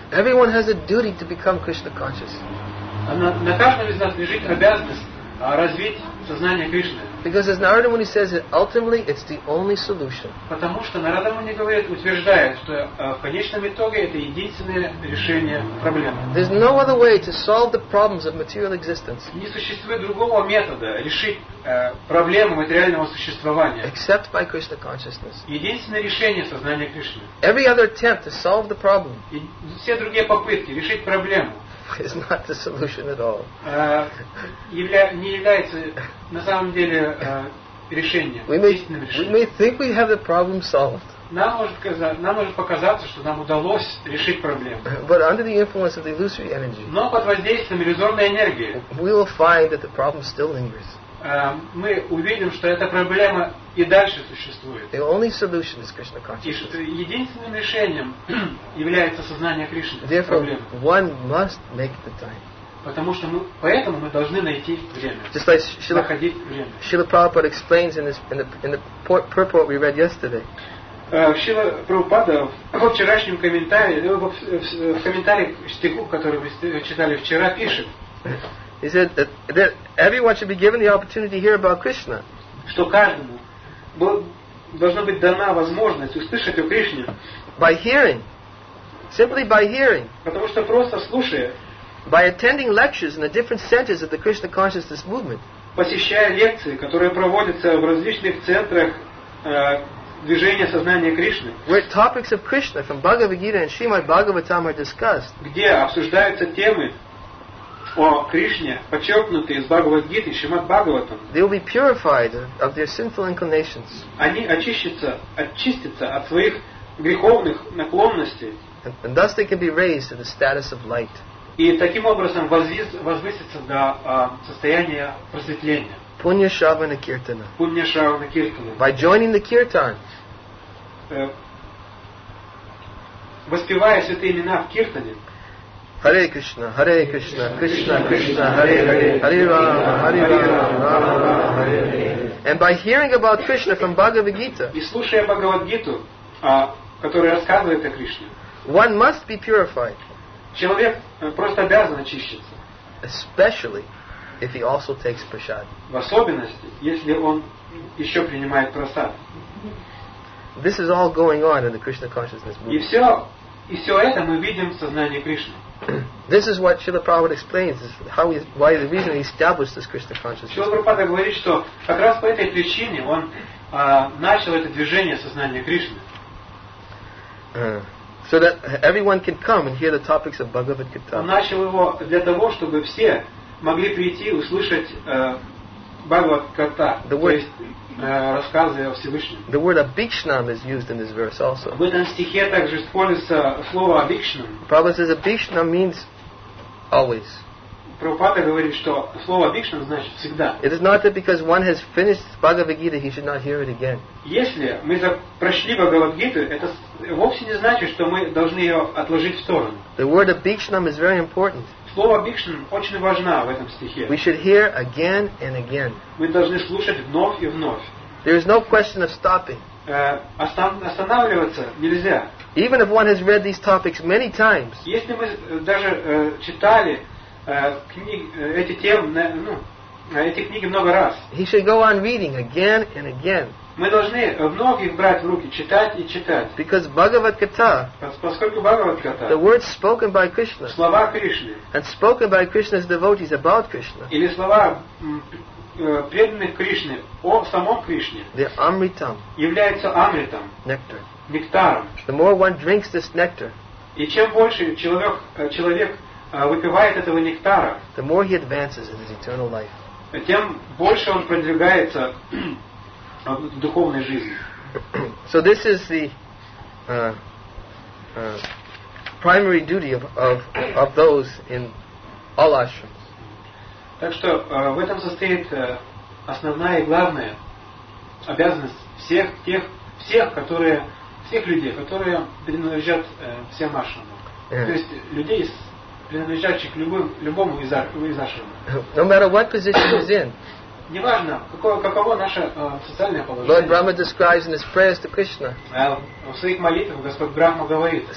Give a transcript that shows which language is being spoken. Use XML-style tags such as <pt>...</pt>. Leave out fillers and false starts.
<en>Everyone has a duty to become Krishna conscious.</en> <ru>На каждом из нас лежит обязанность развить сознание Кришны.</ru> <en>Because as Narada Muni says, ultimately it's the only solution.</en> <ru>Потому что Нарада Муни говорит, утверждает, что в конечном итоге это единственное решение проблемы.</ru> <en>There's no other way to solve the problems of material existence.</en> <ru>Не существует другого метода решить проблему материального существования.</ru> <en>Except by Krishna consciousness.</en> <ru>Единственное решение — сознание Кришны.</ru> <en>Every other attempt to solve the problem.</en> <ru>Все другие попытки решить проблему.</ru> <en>Is not the solution at all.</en> <ru>Не является на самом деле решением.</ru> <en>We may think we have the problem solved.</en> <ru>Нам может показаться, что нам удалось решить проблему.</ru> <en>But under the influence of the illusory energy.</en> <ru>Но под воздействием иллюзорной энергии.</ru> <en>We will find that the problem still lingers.</en> <ru>Мы увидим, что эта проблема и дальше существует.</ru> <en>The only solution is Krishna consciousness.</en> <ru>Единственным решением является сознание Кришны.</ru> <en>Therefore, one must make the time.</en> <ru>Поэтому мы должны найти время.</ru> <en>Just like Srila Prabhupada explains in the purport we read yesterday.</en> <ru>Шрила Прабхупада в вчерашнем комментарии, в комментарии к стиху, который мы читали вчера, пишет.</ru> <en>He said that everyone should be given the opportunity to hear about Krishna.</en> <ru>Что каждому должна быть дана возможность услышать о Кришне.</ru> <en>By hearing. Simply by hearing.</en> <ru>Потому что просто слушая.</ru> <en>By attending lectures in the different centers of the Krishna consciousness movement.</en> <ru>Посещая лекции, которые проводятся в различных центрах движения сознания Кришны.</ru> <en>Where topics of Krishna from Bhagavad Gita and Srimad Bhagavatam are discussed.</en> <ru>Где обсуждаются темы о Кришне, подчеркнутые из Бхагавад-гиты, Шримад-Бхагаватам.</ru> <en>They will be purified of their sinful inclinations.</en> <ru>Они очистятся от своих греховных наклонностей.</ru> <en>And thus they can be raised to the status of light.</en> <ru>И таким образом возвысятся до состояния просветления.</ru> <sa>Пунья-шравана-киртана. Пунья-шравана-киртана.</sa> <en>By joining the kirtan.</en> <ru>Воспевая святые имена в киртане.</ru> <sa>Hare Krishna, Hare Krishna, Krishna Krishna, Hare Hare, Hare Rama, Hare Rama, Rama Rama, Rama, Rama Hare Hare.</sa> <en>And by hearing about Krishna from Bhagavad Gita,</en> <ru>и слушая Бхагавад-гиту, которая рассказывает о Кришне,</ru> <en>one must be purified.</en> <ru>Человек просто обязан очиститься.</ru> <en>Especially if he also takes prasad.</en> <ru>В особенности, если он еще принимает прасад.</ru> <en>This is all going on in the Krishna consciousness movement.</en> <ru>И все это мы видим в сознании Кришны.</ru> <en>This is what Srila Prabhupada explains, is how he, why the reason he established this Krishna consciousness.</en> <ru>Srila Prabhupada говорит, что как раз по этой причине он начал это движение сознания Кришны.</ru> <en>So that everyone can come and hear the topics of Bhagavad Gita.</en> <ru>Он начал его для того, чтобы все могли прийти и услышать Бхагавад Гита, то есть рассказы о Всевышнем.</ru> <en>The word abhikshanam is used in this verse also.</en> <ru>В этом стихе также используется слово abhikshanam.</ru> <en>Prabhupada says abhikshanam means always.</en> <ru>Прабхупада говорит, что слово abhikshanam значит всегда.</ru> <en>It is not that because one has finished Bhagavad Gita he should not hear it again.</en> <ru>Если мы прошли Бхагавад Гиту, это вовсе не значит, что мы должны ее отложить в сторону.</ru> <en>The word abhikshanam is very important.</en> <ru>Слово бикшан очень важно в этом стихе.</ru> <en>We should hear again and again.</en> <ru>Мы должны слушать вновь и вновь.</ru> <en>There is no question of stopping.</en> <ru>Останавливаться нельзя.</ru> <en>Even if one has read these topics many times.</en> <ru>Если мы даже читали эти темы, эти книги много раз.</ru> <en>He should go on reading again and again.</en> <ru>Мы должны вновь их брать в руки, читать и читать.</ru> <en>Because Bhagavad-gita,</en> <ru>поскольку Бхагавад-гата,</ru> <en>the words spoken by Krishna,</en> <ru>слова Кришны,</ru> <en>and spoken by Krishna's devotees about Krishna,</en> <ru>или слова преданных Кришны о самом Кришне,</ru> <en>the amritam,</en> <ru>является амритом,</ru> <en>nectar,</en> <ru>нектаром.</ru> <en>The more one drinks this nectar,</en> <ru>и чем больше человек выпивает этого нектара,</ru> <en>the more he advances in his eternal life,</en> <ru>тем больше он продвигается в духовной жизни.</ru> <en>So this is the primary duty of those in all ashrams.</en> <ru>Так что в этом состоит основная и главная обязанность всех людей, которые принадлежат всем ашрамам.</ru> <en>Yeah.</en> <ru>То есть людей из принадлежащих любому из ашрамов.</ru> <en>No matter what position he's in.</en> <ru>Неважно, каково наше социальное положение.</ru> <en>Lord Brahma describes in his prayers to Krishna.</en> <ru>В своих молитвах Господь Брахма говорит.</ru>